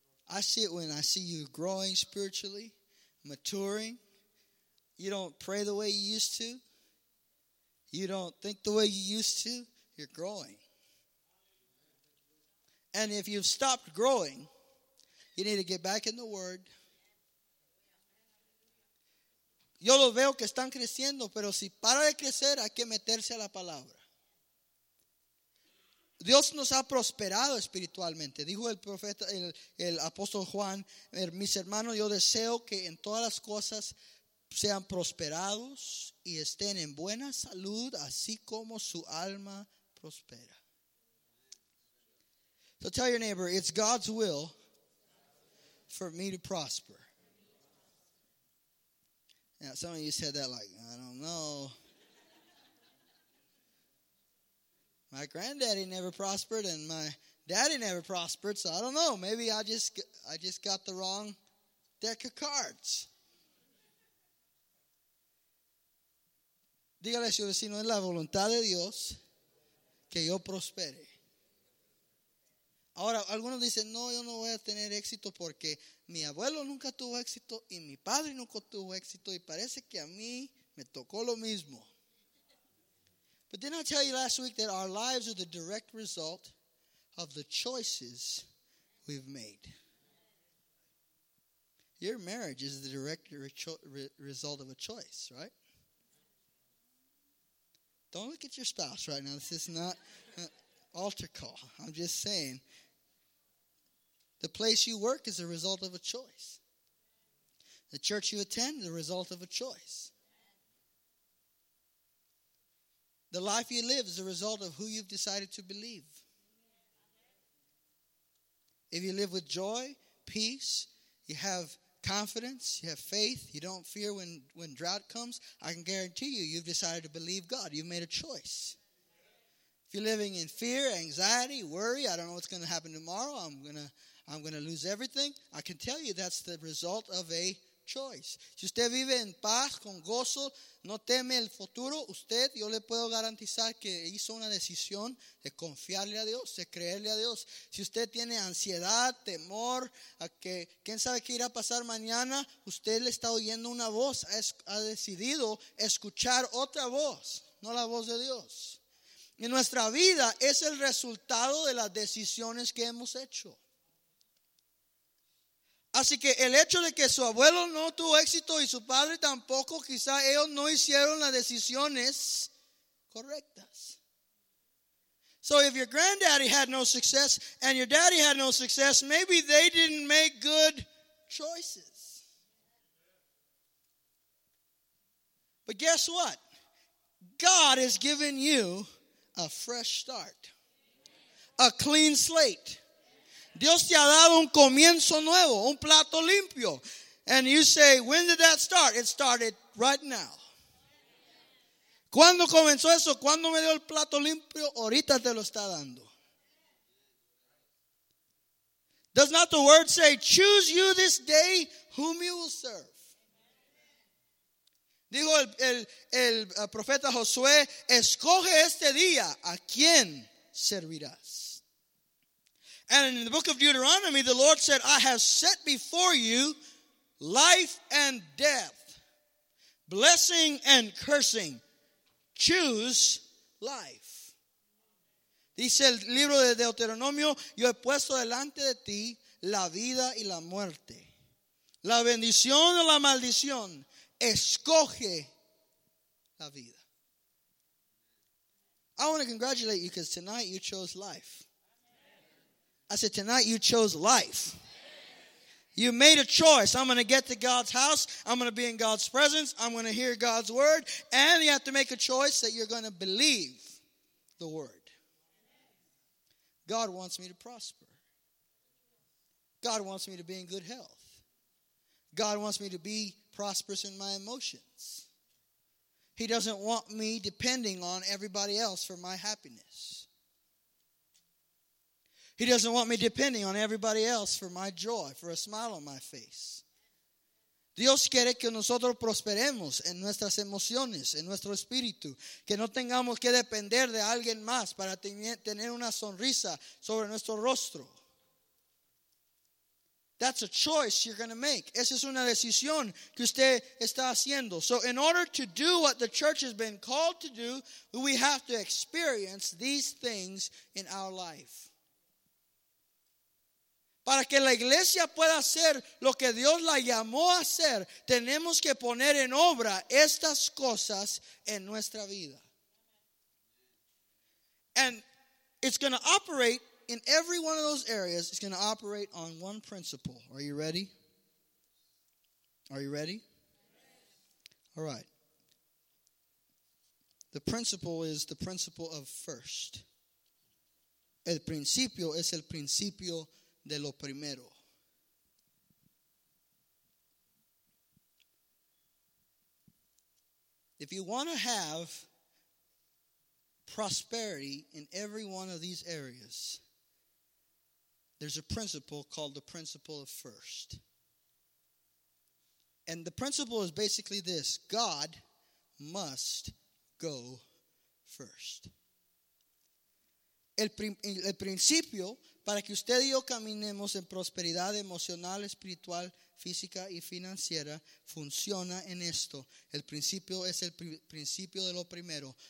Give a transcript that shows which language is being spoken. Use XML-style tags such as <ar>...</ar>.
<en>I see it when I see you growing spiritually, maturing. You don't pray the way you used to. You don't think the way you used to. You're growing. And if you've stopped growing, you need to get back in the Word.</en> <es>Yo lo veo que están creciendo, pero si para de crecer, hay que meterse a la palabra. Dios nos ha prosperado espiritualmente. Dijo el profeta, el apóstol Juan, mis hermanos, yo deseo que en todas las cosas sean prosperados y estén en buena salud, así como su alma prospera.</es> <en>So tell your neighbor, it's God's will for me to prosper. Now, some of you said that like, I don't know. My granddaddy never prospered and my daddy never prospered, so I don't know. Maybe I just got the wrong deck of cards.</en> <es>Dígale a su vecino, es la voluntad de Dios que yo prospere. Ahora, algunos dicen, no, yo no voy a tener éxito porque mi abuelo nunca tuvo éxito y mi padre nunca tuvo éxito y parece que a mí me tocó lo mismo.</es> <en>But didn't I tell you last week that our lives are the direct result of the choices we've made? Your marriage is the direct result of a choice, right? Don't look at your spouse right now. This is not an altar call. I'm just saying. The place you work is a result of a choice. The church you attend is a result of a choice. The life you live is a result of who you've decided to believe. If you live with joy, peace, you have confidence, you have faith, you don't fear when drought comes, I can guarantee you, you've decided to believe God. You've made a choice. If you're living in fear, anxiety, worry, I don't know what's going to happen tomorrow, I'm gonna lose everything, I can tell you that's the result of a choice.</en> <es>Si usted vive en paz, con gozo, no teme el futuro, usted, yo le puedo garantizar que hizo una decisión de confiarle a Dios, de creerle a Dios. Si usted tiene ansiedad, temor, a que quién sabe qué irá a pasar mañana, usted le está oyendo una voz, ha decidido escuchar otra voz, no la voz de Dios. Y nuestra vida es el resultado de las decisiones que hemos hecho. Así que el hecho de que su abuelo no tuvo éxito y su padre tampoco, quizá ellos no hicieron las decisiones correctas.</es> <en>So if your granddaddy had no success and your daddy had no success, maybe they didn't make good choices. But guess what? God has given you a fresh start. A clean slate.</en> <es>Dios te ha dado un comienzo nuevo, un plato limpio.</es> <en>And you say, when did that start? It started right now.</en> <es>¿Cuándo comenzó eso? ¿Cuándo me dio el plato limpio? Ahorita te lo está dando.</es> <en>Does not the word say, choose you this day whom you will serve?</en> <es>Dijo el profeta Josué, escoge este día a quién servirás.</es> <en>And in the book of Deuteronomy, the Lord said, I have set before you life and death, blessing and cursing. Choose life.</en> <es>Dice el libro de Deuteronomio, yo he puesto delante de ti la vida y la muerte. La bendición o la maldición, escoge la vida.</es> <en>I want to congratulate you because tonight you chose life. I said, tonight you chose life. You made a choice. I'm going to get to God's house. I'm going to be in God's presence. I'm going to hear God's word. And you have to make a choice that you're going to believe the word. God wants me to prosper. God wants me to be in good health. God wants me to be prosperous in my emotions. He doesn't want me depending on everybody else for my happiness. He doesn't want me depending on everybody else for my joy, for a smile on my face.</en> <es>Dios quiere que nosotros prosperemos en nuestras emociones, en nuestro espíritu, que no tengamos que depender de alguien más para tener una sonrisa sobre nuestro rostro.</es> <en>That's a choice you're going to make.</en> <es>Esa es una decisión que usted está haciendo.</es> <en>So in order to do what the church has been called to do, we have to experience these things in our life.</en> <es>Para que la iglesia pueda hacer lo que Dios la llamó a hacer, tenemos que poner en obra estas cosas en nuestra vida.</es> <en>And it's going to operate in every one of those areas. It's going to operate on one principle. Are you ready? Are you ready? All right. The principle is the principle of first.</en> <es>El principio es el principio de lo primero.</es> <en>If you want to have prosperity in every one of these areas, there's a principle called the principle of first. And the principle is basically this: God must go first.</en> <es>El principio para que usted y yo caminemos en prosperidad emocional, espiritual, física y financiera funciona en esto. El principio es el principio de lo primero.</es>